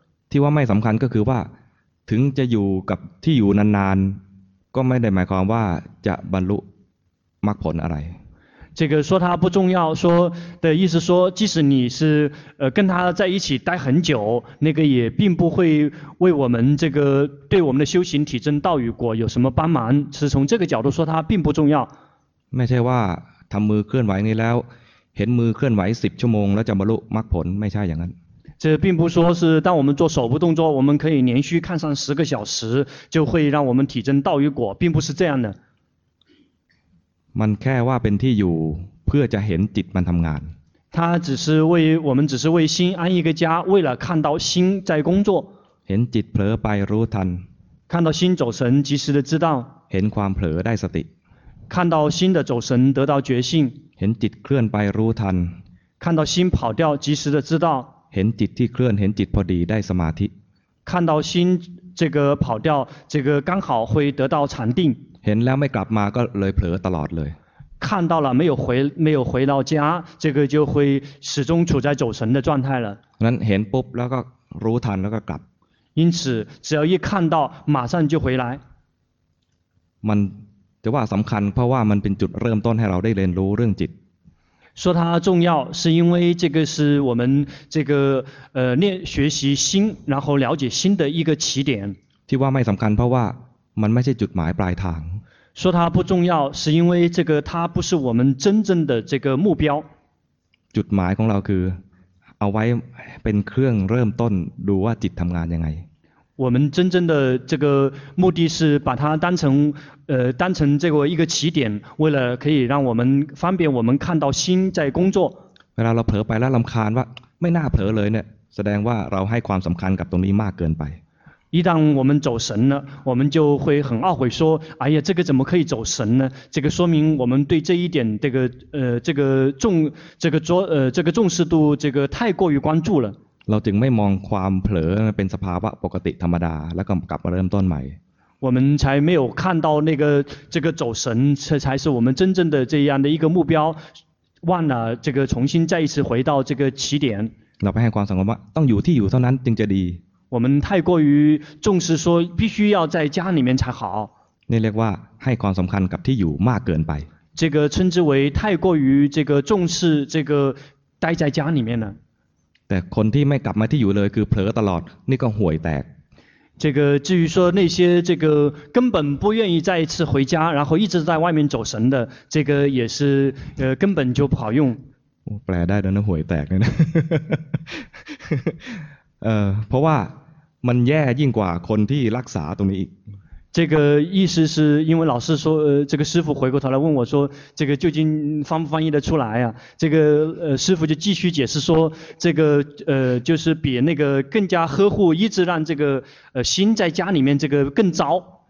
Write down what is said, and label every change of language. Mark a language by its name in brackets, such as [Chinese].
[Thai] ที่ว่าไม่สำคัญก็คือว่าถึงจะอยู่กับที่อยู่นานๆก็ไม่ได้หมายความว่าจะบรรลุมรรคผลอะไร [Chinese] 这个说它不重要说的意思说即使你是跟他在一起待很久那个也并不会为我们这个对我们的修行体证道与果有什么帮忙是从这个角度说它并不重要 [Thai] ไม่ใช่ว่าทำมือเคลื่อนไหวนี้แล้วเห็นมือเคลื่อนไหว10ชั่วโมงแล้วจะบรรลุมรรคผลไม่ใช่อย่างนั้น [Chinese] 这并不说是当我们做手部动作我们可以连续看上10个小时就会让我们体证道与果并不是这样的 [Thai] มันแค่ว่าเป็นที่อยู่เพื่อจะเห็นจิตมันทำงาน [Chinese] 它只是为我们只是为心安一个家为了看到心在工作 [Thai] เห็นจิตเผลอไปรู้ทัน [Chinese] 看到心走神及时的知道 [Thai] เห็นความเผลอได้สติ [Chinese] 看到心的走神得到觉性 [Thai] เห็นจิตเคลื่อนไปรู้ทัน [Chinese] 看到心跑掉及时的知道 [Thai] เห็นจิตที่เคลื่อนเห็นจิตพอดีได้สมาธิ [Chinese] 看到心这个跑掉这个刚好会得到禅定 [Thai] เห็นแล้วไม่กลับมาก็เลยเผลอตลอดเลย [Chinese] 看到了没有回到家这个就会始终处在走神的状态了 [Thai] นั้นเห็นปุ๊บแล้วก็รู้ทันแล้วก็กลับ [Chinese] 因此只要一看到马上就回来 [Thai] มันจะว่าสำคัญเพราะว่ามันเป็นจุดเริ่มต้นให้เราได้เรียนรู้เรื่องจิต [Chinese] 说它重要是因为这个是我们这个练学习心然后了解心的一个起点 [Thai] ที่ว่าไม่สำคัญเพราะว่ามันไม่ใช่จุดหมายปลายทาง [Chinese] 说它不重要是因为这个它不是我们真正的这个目标 [Thai] จุดหมายของเราคือเอาไว้เป็นเครื่องเริ่มต้นดูว่าจิตทำงานยังไง [Chinese] 我们真正的这个目的是把它当成这个一个起点为了可以让我们方便我们看到心在工作 [Thai] เวลาเราเผลอไปแล้วรำคาญว่าไม่น่าเผลอเลยเนี่ยแสดงว่าเราให้ความสำคัญกับตรงนี้มากเกินไป [Chinese] 一旦我们走神了我们就会很懊悔说哎呀这个怎么可以走神呢这个说明我们对这一点这个重视度这个太过于关注了 [Thai] เราจึงไม่มองความเผลอเป็นสภาวะปกติธรรมดาแล้วก็กลับมาเริ่มต้นใหม่ [Chinese] 我们才没有看到那个这个走神这才是我们真正的这样的一个目标忘了这个重新再一次回到这个起点 [Thai] เราไปให้ความสำคัญว่าต้องอยู่ที่อยู่เท่านั้นจึงจะดี วันที่ [Chinese] 过于重视说必须要在家里面才好 [Thai] นี่เรียกว่าให้ความสำคัญกับที่อยู่มากเกินไป [Chinese] 这个称之为太过于这个重视这个待在家里面呢 [Thai] แต่คนที่ไม่กลับมาที่อยู่เลยคือเผลอตลอดนี่ก็ห่วยแตก [Chinese] 这个至于说那些这个根本不愿意再一次回家然后一直在外面走神的这个也是根本就不好用 [Thai] แปลได้แล้วนะห่วยแตกเลยนะเพราะว่ามันแย่ยิ่งกว่าคนที่รักษาตรงนี้อีก [Chinese] 这个意思是因为老师说这个师父回过头来问我说这个究竟翻不翻译得出来啊，这个师父就继续解释说这个就是比那个更加呵护，一直让这个心在家里面这个更糟。